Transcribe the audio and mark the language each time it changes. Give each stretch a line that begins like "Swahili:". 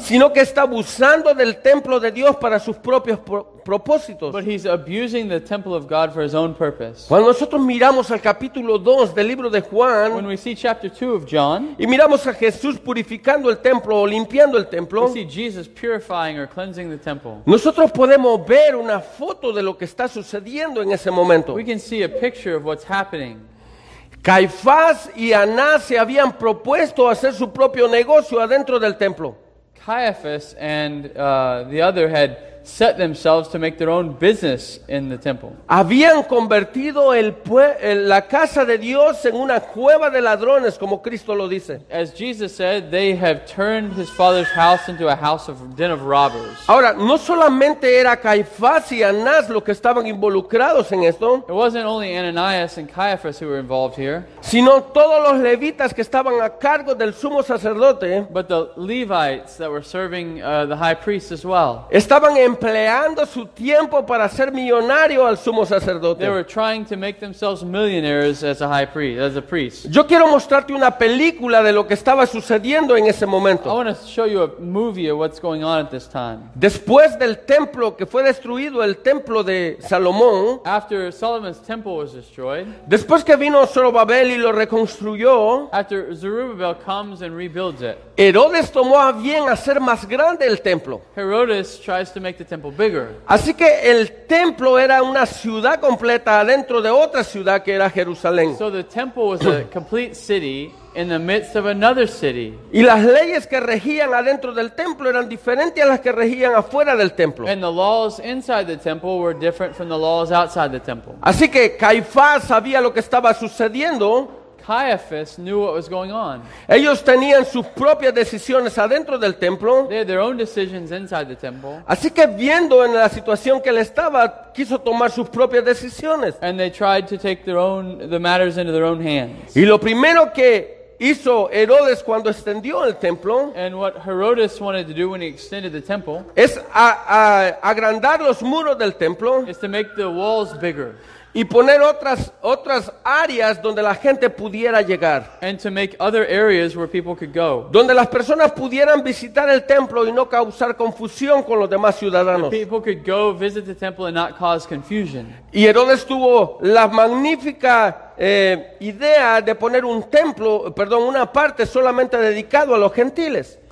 Spanish: sino que está abusando del templo de Dios para sus propios propósitos.
English: But he's abusing the temple of God for his own purpose.
Spanish: Cuando nosotros miramos al capítulo 2 del libro de Juan,
English: when we see chapter 2 of John,
Spanish: y miramos a Jesús purificando el templo o limpiando el templo,
English: we see Jesus purifying or cleansing the temple.
Spanish: Nosotros podemos ver una foto de lo que está sucediendo en ese momento.
English: We can see a picture of what's happening.
Spanish: Caifás y Anás se habían propuesto hacer su propio negocio adentro del templo.
English: Caiaphas and the other had set themselves to make their own business in the temple.
Spanish: Habían convertido la casa de Dios en una cueva de ladrones, como Cristo lo dice.
English: As Jesus said, they have turned his father's house into a house of den of robbers.
Spanish: Ahora, no solamente era Caifás y Anás los que estaban involucrados en esto.
English: It wasn't only Ananias and Caiaphas who were involved here,
Spanish: sino todos los levitas que estaban a cargo del sumo sacerdote,
English: but the Levites that were serving the high priest as well.
Spanish: Estaban empleando su tiempo para ser millonario al sumo sacerdote.
English: They were trying to make themselves millionaires as a high priest, as a priest.
Spanish: Yo quiero mostrarte una película de lo que estaba sucediendo en ese momento.
English: I want to show you a movie of what's going on at this time.
Spanish: Después del templo que fue destruido, el templo de Salomón,
English: after Solomon's temple was destroyed,
Spanish: después que vino Zorobabel y lo reconstruyó,
English: after Zerubbabel comes and rebuilds it,
Spanish: Herodes tomó a bien hacer más grande el templo.
English: Herodes tries to make the temple bigger.
Spanish: Así que el templo era una ciudad completa dentro de otra ciudad que era Jerusalén.
English: So the temple was a complete city in the midst of another city.
Spanish: Y las leyes que regían adentro del templo eran diferentes a las que regían afuera del templo.
English: And the laws inside the temple were different from the laws outside the temple.
Spanish: Así que Caifás sabía lo que estaba sucediendo.
English: Caiaphas knew what was going on.
Spanish: Ellos tenían sus propias decisiones adentro del templo.
English: They had their own decisions inside the temple.
Spanish: Así que viendo en la situación que él estaba, quiso tomar sus propias decisiones.
English: And they tried to take the matters into their own hands.
Spanish: Y lo primero que hizo Herodes cuando extendió el templo,
English: and what Herodes wanted to do when he extended the temple,
Spanish: es agrandar los muros del templo,
English: is to make the walls bigger,
Spanish: y poner otras áreas donde la gente pudiera llegar,
English: and to make other areas where people could go,
Spanish: donde las personas pudieran visitar el templo y no causar confusión con los demás ciudadanos.
English: Where people could go visit the temple and not cause confusion.
Spanish: Y Herodes tuvo la magnífica idea de poner un templo, perdón, una parte solamente dedicado a los gentiles.